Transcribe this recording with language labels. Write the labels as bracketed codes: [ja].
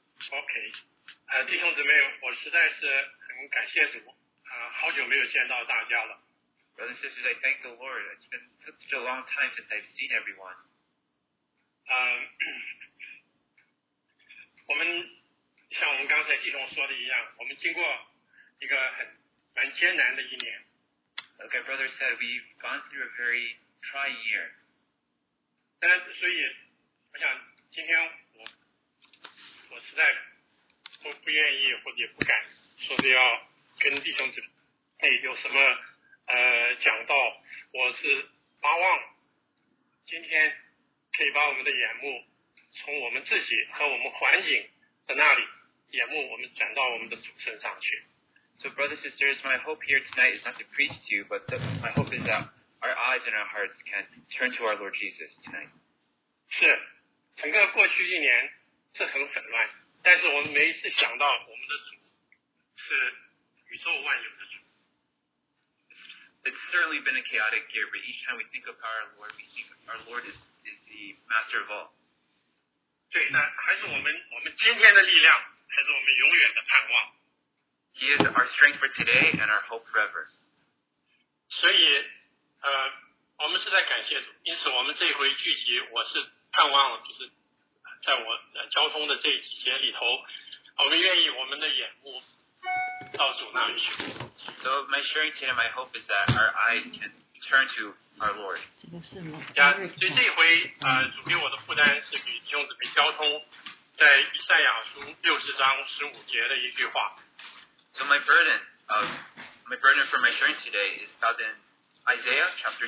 [zh] OK， 弟兄姊妹，我实在是很感谢主，好久没有见到大家了。 [en] Brothers and sisters, I thank the Lord. It's been such a long time since I've seen everyone. [zh] 我们像我们刚才弟兄说的一样，我们经过一个很蛮艰难的一年。 [en] Okay, brother said we've gone through a very trying year. [zh] 但所以我想今天我实在不愿意或者不敢说是要跟弟兄姊妹有什么讲到，我是巴望今天可以把我们的眼目从我们自己和我们环境的那里眼目我们转到我们的主身上去。 [en] So brothers and sisters, my hope here tonight is not to preach to you, but my hope is that our eyes and our hearts can turn to our Lord Jesus tonight. [zh] 是，整个过去一年是很混乱，但是我们每一次想到我们的主是宇宙万有的主。 [en] It's certainly been a chaotic year, but each time we think of our Lord, we think our Lord is the master of all. [zh] 对，那还是我们今天的力量，还是我们永远的盼望。 [en] He is our strength for today and our hope forever. [zh] 所以，我们是在感谢主，因此我们这回聚集，我是盼望就是在我交通的这几天里头，我们愿意我们的眼目到主那里去。 [en] So my sharing today, my hope is that our eyes can turn to our Lord. [zh] 所以这回主给我的负担是给弟兄姊妹交通在以赛亚书60:15的一句话。 [en] So my burden for my sharing today is found in Isaiah chapter